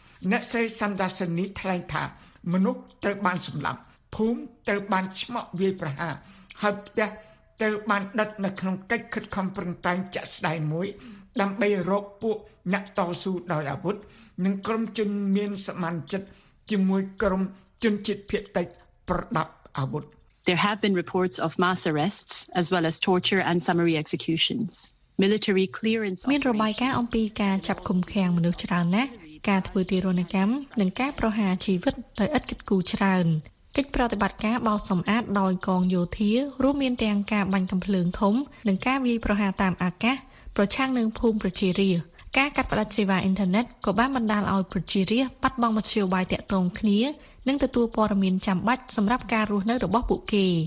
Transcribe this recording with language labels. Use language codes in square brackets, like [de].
[km] អ្នកស្រីសាន់ដាសនីថ្លែងថាមនុស្សត្រូវបានសម្លាប់ភូមិត្រូវបានឆ្មក់វាយប្រហារហើយផ្ទះត្រូវបានដុតនៅក្នុងកិច្ចខិតខំប្រឹងប្រែងចាក់ស្ដែងមួយដើម្បីរកពួកអ្នកតស៊ូដោយអាវុធនិងក្រុមជនមានសមានចិត្តជាមួយក្រុមជនជាតិភាគតិចប្រដាប់អាវុធ [en] There have been reports of mass arrests as well as torture and summary executions. Military clearance [km] មានរបាយការណ៍អំពីការចាប់ឃុំឃាំងមនុស្សច្រើនណាស់ការធ្វើទារុណកម្មនិងការប្រហារជីវិតដោយឥតគិតគូរច្រើនកិច្ចប្រតិបត្តិការបោសសម្អាតដោយកងយោធារួមមានទាំងការបាញ់កំភ្លើងធំនិងការវាយប្រហារតាមអាកាសប្រឆាំងនឹងភូមិប្រជារាស្ត្រការកាត់ផ្តាច់សេវាអ៊ីនធឺណិតក៏បានបណ្តាលឲ្យប្រជារាស្ត្របាត់បង់មធ្យោបាយទាក់ទងគ្នានឹងទទួលព័ត៌មានចាំបាច់សម្រាប់ការរស់នៅរបស់ពួកគេ